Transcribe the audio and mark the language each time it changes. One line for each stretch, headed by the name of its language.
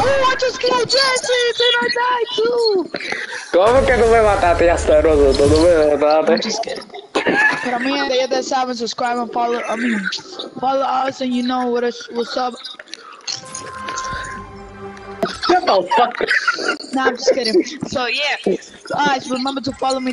English: ¡Oh, I just killed Jancis and I died too!
Spanish: ¿Cómo que tú me mataste, asqueroso? ¿Tú me mataste?
English: I'm just kidding.
Spanish: Pero mira, ya te saben,
English: subscribe and follow, I mean, follow us and you know what is, what's up. Nah, I'm just kidding. So yeah, guys, right, so remember to follow me.